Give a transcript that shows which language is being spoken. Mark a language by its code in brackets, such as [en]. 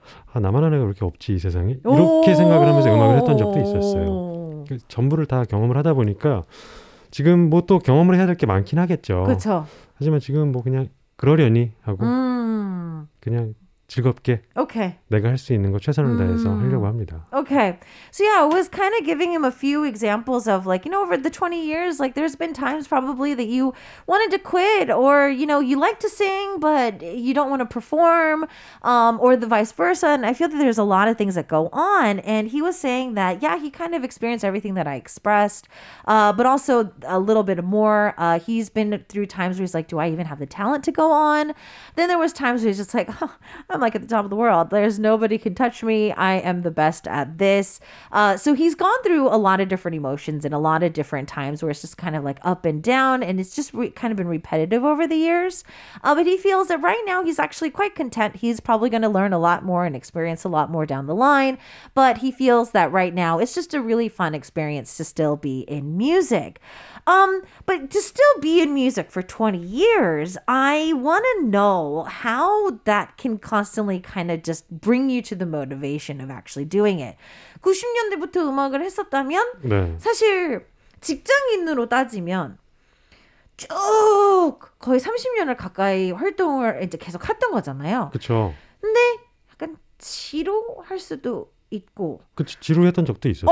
[ko] 아, 나만 하는 게 왜 이렇게 없지 이 세상에? 이렇게 생각을 하면서 음악을 했던 적도 있었어요. 전부를 다 경험을 하다 보니까 지금 뭐 또 경험을 해야 될 게 많긴 하겠죠. 그렇죠. 하지만 지금 뭐 그냥 그러려니 하고 그냥 즐겁게 okay. 내가 할 수 있는 거 최선을 다해서 하려고 합니다. Okay. [en] So yeah, I was kind of giving him a few examples of like, you know, over the 20 years, like there's been times probably that you wanted to quit or, you know, you like to sing, but you don't want to perform or the vice versa. And I feel that there's a lot of things that go on. And he was saying that, yeah, he kind of experienced everything that I expressed, but also a little bit more. He's been through times where he's like, do I even have the talent to go on? Then there was times where he's just like, oh, I'm like at the top of the world. There's nobody can touch me. I am the best at this. So he's gone through a lot of different emotions and a lot of different times where it's just kind of like up and down. And it's just kind of been repetitive over the years. But he feels that right now he's actually quite content. He's probably going to learn a lot more and experience a lot more down the line. But he feels that right now it's just a really fun experience to still be in music. But to still be in music for 20 years, I want to know how that can constantly kind of just bring you to the motivation of actually doing it. [ko] 90년대부터 음악을 했었다면 네. 사실 직장인으로 따지면 쭉 거의 30년을 가까이 활동을 이제 계속 했던 거잖아요. 그렇죠. 근데 약간 지루할 수도 있고. 그렇지. 지루했던 적도 있었죠.